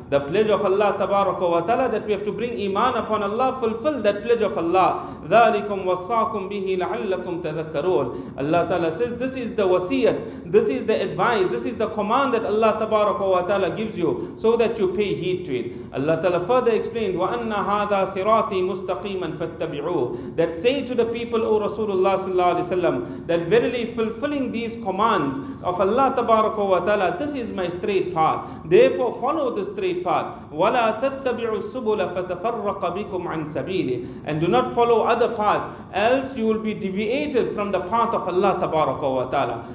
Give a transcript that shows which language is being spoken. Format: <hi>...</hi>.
<en>The pledge of Allah tabaraka wa ta'ala, that we have to bring iman upon Allah, fulfill that pledge of Allah.</en> <ar>ذَلِكُمْ وَصَّاكُمْ بِهِ لَعَلَّكُمْ تَذَكَّرُونَ.</ar> <en>Allah ta'ala says, this is the wasiyat, this is the advice, this is the command that Allah tabaraka wa ta'ala gives you, so that you pay heed to it. Allah ta'ala further explains,</en> <ar>وَأَنَّ هَذَا صِرَاطِي مُسْتَقِيمًا فَاتَّبِعُوهُ.</ar> <en>That say to the people, O Rasulullah sallallahu alayhi wa sallam, that verily fulfilling these commands of Allah tabaraka wa ta'ala, this is my straight path. Therefore, follow the straight path.</en> <ar>وَلَا تَتَّبِعُوا السُّبُلَ فَتَفَرَّقَ بِكُمْ عَنْ سَبِيلِ.</ar> <en>And do not follow other paths, else you will be deviated from the path of Allah tabaraka wa ta'ala.</en>